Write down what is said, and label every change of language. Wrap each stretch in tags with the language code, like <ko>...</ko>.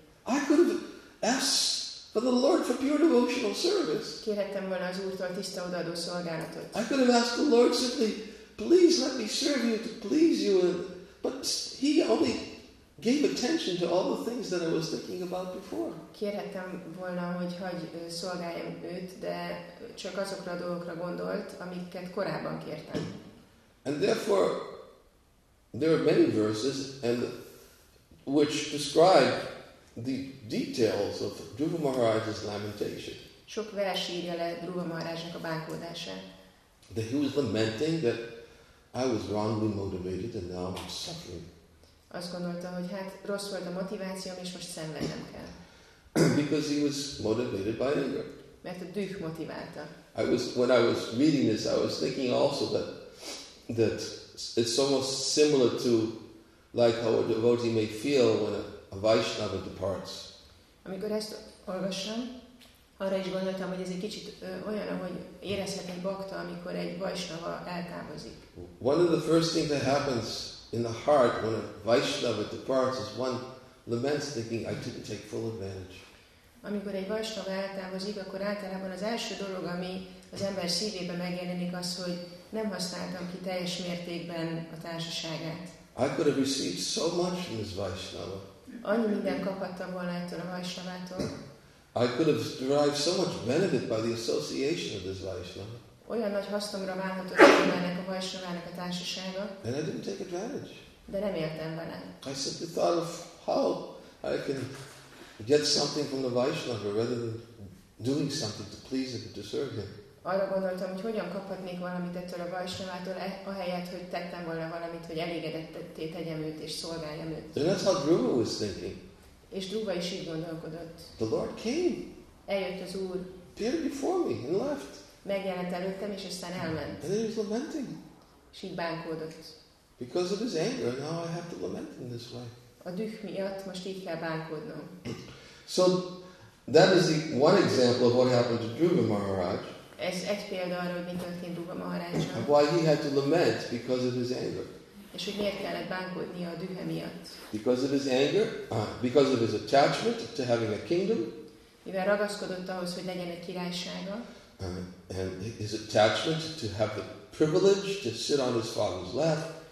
<en>I could have asked for the Lord for pure devotional service.</en> <hu>Kérhettem volna az Úrtól tiszta odaadó szolgálatot.</hu> <en>I could have asked the Lord simply, please let me serve you to please you. But he only gave attention to all the things that I was thinking about before.</en> <hu>Kérhettem volna, hogy hagy szolgáljam őt, de csak azokra a dolgokra gondolt, amiket korábban kértem.</hu> <en>And therefore, there are many verses and which describe the details of Dhruva Maharaj's lamentation.</en> <hu>Sok vers írja le Dhruva Maharajnak a bánkódását.</hu> <en>That he was lamenting that I was wrongly motivated and now I'm suffering.</en> <hu>Azt gondolta, hogy hát rossz volt a motivációm, és most szenvednem kell.</hu> <en>Because he was motivated by anger.</en> <hu>Mert a düh motiválta.</hu> <en>I was, when I was reading this, I was thinking also that it's almost similar to like how a devotee may feel when a Vaishnava departs.</en> <hu>Amikor ezt olvassam, arra is gondoltam, hogy ez egy kicsit olyan, ahogy érezhet egy bhakta, amikor egy Vaishnava eltávozik.</hu> <en>One of the first things that happens in the heart when a Vaishnava departs is one laments thinking, I didn't take full advantage.</en> <hu>Amikor egy Vaishnava eltávozik, akkor általában az első dolog, ami az ember szívébe megjelenik, az, hogy nem használtam ki teljes mértékben a társaságát.</hu> <en>I could have received so much from this Vaishnava.</en> <hu>Annyi mindent kaphattam volna ettől a Vaishnavától.</hu> <en>I could have derived so much benefit by the association of this Vaishnava.</en> <hu>Olyan nagy hasznomra válhatott volna ennek a Vaishnavának a társasága.</hu> <en>And I didn't take advantage.</en> <hu>De nem éltem vele.</hu> <en>I simply thought of how I can get something from the Vaishnava rather than doing something to please him, to serve him.</en> <hu>Arra gondoltam, hogy hogyan kaphatnék valamit ettől a Vaishnavától, ahelyett, hogy tettem volna valamit, hogy elégedetté tegyem őt és szolgáljam őt.</hu> <en>And that's how Dhruva was thinking.</en> <hu>És Dhruva is így gondolkodott.</hu> <en>The Lord came.</en> <hu>Eljött az Úr.</hu> <en>Appeared before me and left.</en> <hu>Megjelent előttem, és aztán elment.</hu> <en>And then he was lamenting.</en> <hu>És így bánkódott.</hu> <en>Because of his anger, now I have to lament in this way.</en> <hu>A düh miatt most így kell bánkódnom.</hu> <en>So that is the one example of what happened to Dhruva Maharaj.</en> <hu>Ez egy példa arról, mi történt Dhruva Maharajjal.</hu> <en>Why he had to lament because of his anger.</en> <hu>És hogy miért kellett bánkódnia a dühe miatt.</hu> <en>Because of his anger, because of his attachment to having a kingdom.</en> <hu>Mivel ragaszkodott ahhoz, hogy legyen egy királysága.</hu> <en>And his attachment to have the privilege to sit on his father's lap.</en>